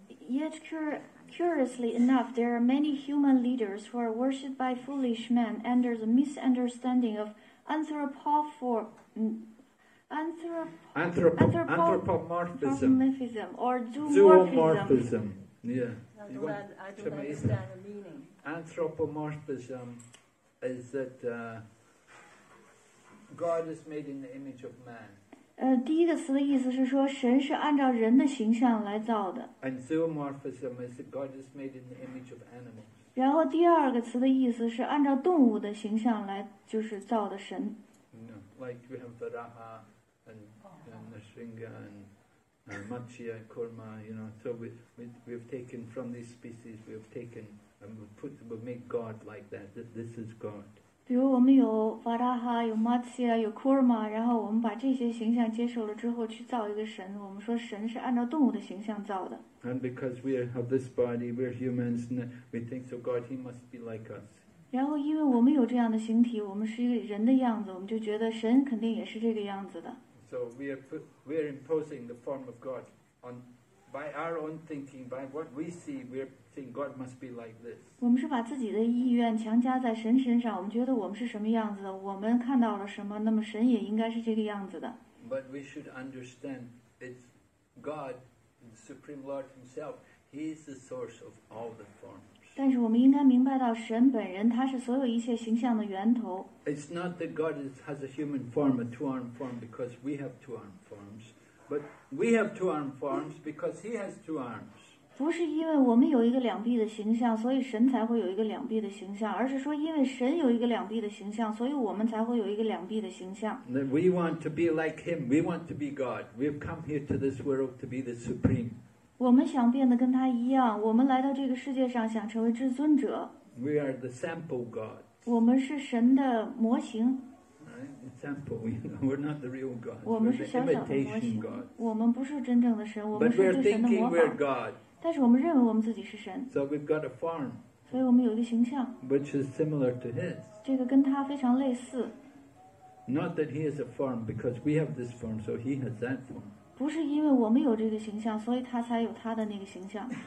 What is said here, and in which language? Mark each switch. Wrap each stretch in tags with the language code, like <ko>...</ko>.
<en>yet curiously enough, there are many human leaders who are worshipped by foolish men under the misunderstanding of anthropomorphism or zoomorphism. Yeah. I don't understand the meaning. Anthropomorphism is that God is made in the image of man.</en> <zh>第一个词的意思是说神是按照人的形象来造的。</zh> <en>And zoomorphism is that God is made in the image of animals.</en> <zh>然后第二个词的意思是按照动物的形象来就是造的神。</zh> <en>No, like we have Varaha and Narsinga and Matsya, Kurma, you know, so we've taken from these species, we've taken and we make God like that, this is God.</en> <zh>比如我们有瓦达哈有马奇啊有库尔玛然后我们把这些形象接受了之后去造一个神我们说神是按照动物的形象造的</zh> <en>and because we have this body we're humans and we think so God he must be like us</en> <zh>然后因为我们有这样的形体我们是一个人的样子我们就觉得神肯定也是这个样子的</zh> <en>so we are imposing the form of God on by our own thinking by what we see we'reThink God must be like this.</en> <zh>我们是把自己的意愿强加在神身上，我们觉得我们是什么样子的，我们看到了什么，那么神也应该是这个样子的。</zh> <en>But we should understand it's God, the Supreme Lord Himself. He is the source of all the forms.</en> <zh>但是我们应该明白到神本人，他是所有一切形象的源头。</zh> <en>It's not that God has a human form, a two-arm form, because we have two-arm forms, but we have two-arm forms because He has two arms.</en> <zh>不是因为我们有一个两臂的形象所以神才会有一个两臂的形象而是说因为神有一个两臂的形象所以我们才会有一个两臂的形象</zh> <en>We want to be like him We want to be God We've come here to this world to be the supreme</en> <zh>我们想变得跟他一样我们来到这个世界上想成为至尊者</zh> <en>We are the sample God</en> <zh>我们是神的模型</zh> <en>Sample, we're not the real God</en> <zh>我们是小小的模型我们不是真正的神我们是对神的模仿</zh> <en>But we're thinking we're God</en> <zh>但是我们认为我们自己是神</zh> <en>so we've got a form</en> <zh>所以我们有一个形象</zh> <en>which is similar to his</en> <zh>这个跟他非常类似</zh> <en>not that he is a form because we have this form so he has that form</en> <zh>不是因为我们有这个形象所以他才有他的那个形象</zh>